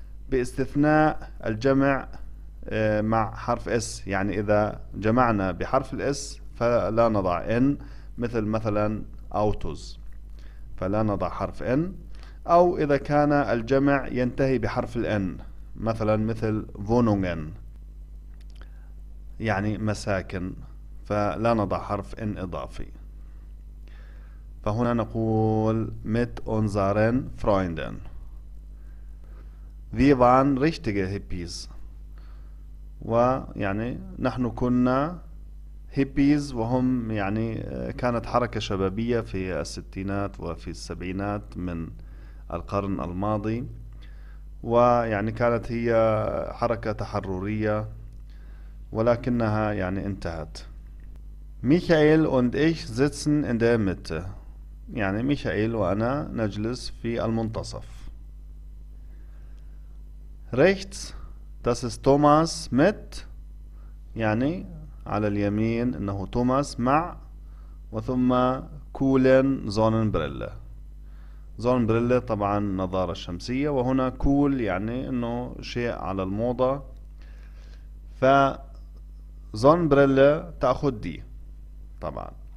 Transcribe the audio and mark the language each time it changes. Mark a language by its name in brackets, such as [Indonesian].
[Arabic] باستثناء الجمع مع حرف S، يعني إذا جمعنا بحرف الاس فلا نضع N، مثل مثلا autos فلا نضع حرف N، أو إذا كان الجمع ينتهي بحرف N مثلا مثل wohnungen يعني مساكن فلا نضع حرف N إضافي. فهنا نقول [German] mit unseren Freunden. Wir waren richtige Hippies. [Arabic] ويعني نحن كنا هيبيز، وهم يعني كانت حركة شبابية في الستينات وفي السبعينات من القرن الماضي، ويعني كانت هي حركة تحررية ولكنها يعني انتهت. [German] ميخائيل und ich sitzen in der Mitte. [Arabic] يعني ميخائيل وأنا نجلس في المنتصف. [German] Rechts, das ist Thomas mit. [Arabic] يعني على اليمين إنه توماس مع، وثم [German] كولن زوننبريلا. [Arabic] زوننبريلا طبعا نظارة شمسية، وهنا كول يعني إنه شيء على الموضة. ف زوننبريلا تأخذ دي طبعا.